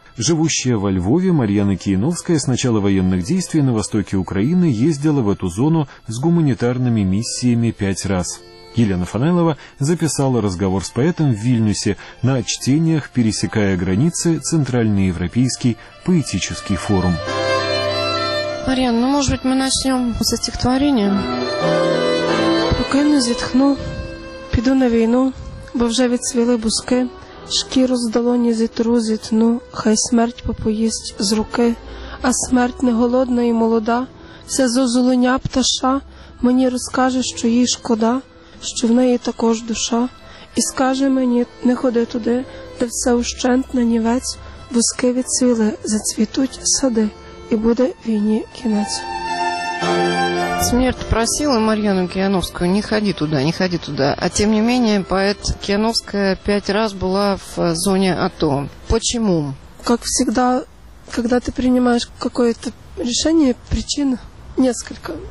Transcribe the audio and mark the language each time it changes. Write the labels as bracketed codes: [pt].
[ru] Живущая во Львове, Марьяна Кияновская с начала военных действий на востоке Украины ездила в эту зону с гуманитарными миссиями 5 раз. Елена Фанайлова записала разговор с поэтом в Вильнюсе на чтениях «Пересекая границы. Центральноевропейский поэтический форум». Марьяна, ну, может быть, мы начнем с стихотворения? [uk] Пока не зітхну, піду на війну, бо вже відцвіли бузки, шкіру з долоні зітру, зітну, хай смерть попоїсть з руки, а смерть не голодна і молода, вся зозуленя пташа, мені розкаже, що їй шкода, що в неї також душа, і скаже мені, не ходи туди, де все ущент на нівець, бузки відцвіли, зацвітуть сади. И будет войне кинать. [ru] Смерть просила Марьяну Кияновскую: не ходи туда, не ходи туда. А тем не менее, поэт Кияновская 5 раз была в зоне АТО. Почему? Как всегда, когда ты принимаешь какое-то решение, причин несколько.